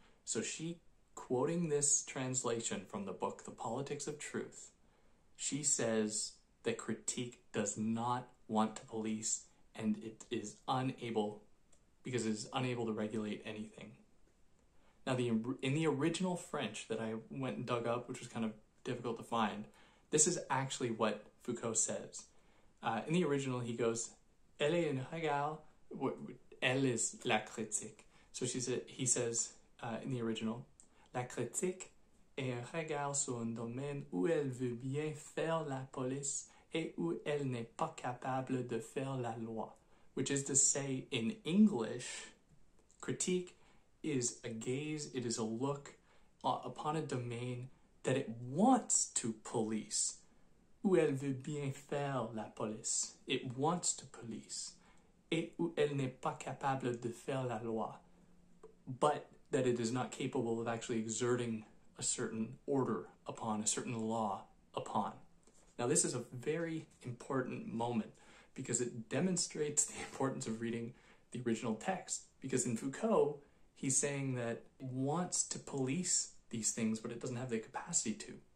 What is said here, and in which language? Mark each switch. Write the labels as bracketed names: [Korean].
[English] So she, quoting this translation from the book The Politics of Truth, she says that critique does not want to police, and it is unable, because it is unable to regulate anything. Now, in the original French that I went and dug up, which was kind of difficult to find, this is actually what Foucault says. In the original, he goes, [French] elle est une regard. [English] Elle is la critique. So he says in the original, [French] la critique est un regard sur un domaine où elle veut bien faire la police et où elle n'est pas capable de faire la loi. [English] which is to say, in English, critique is a gaze, it is a look upon a domain that it wants to police. [French] Où elle veut bien faire la police. [English] It wants to police. [French] Et où elle n'est pas capable de faire la loi. [English] But that it is not capable of actually exerting a certain order upon, a certain law upon. Now, this is a very important moment because it demonstrates the importance of reading the original text. Because in Foucault, he's saying that it wants to police these things, but it doesn't have the capacity to.